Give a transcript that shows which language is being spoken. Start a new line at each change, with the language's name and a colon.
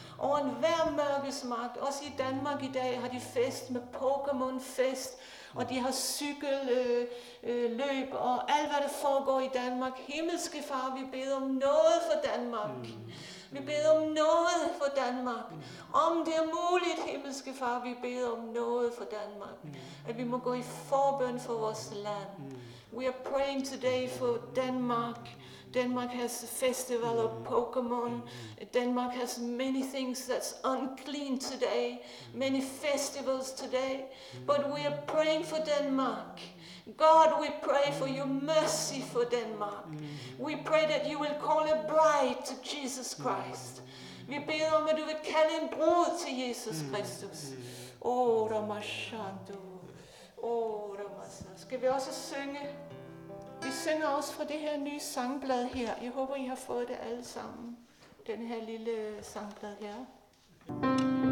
Danish: Over enhver mørkes magt, også i Danmark i dag, har de fest med Pokémon-fest, og de har cykelløb, og alt hvad der foregår i Danmark. Himmelske far, vi beder om noget for Danmark. Vi beder om noget for Danmark. Om det er muligt, himmelske far, vi beder om noget for Danmark. At vi må gå i forbøn for vores land.
English: We are praying today for Denmark. Denmark has a festival of Pokemon. Denmark has many things that's unclean today, many festivals today. But we are praying for Denmark. God, we pray for your mercy for Denmark. We pray that you will call a bride to Jesus Christ.
Danish: Vi beder om, at du vil kalde en brud til Jesus Kristus. Ora mashandu. Ora mashandu. Skal vi også synge? Vi synger også fra det her nye sangblad her. Jeg håber, I har fået det alle sammen. Den her lille sangblad her.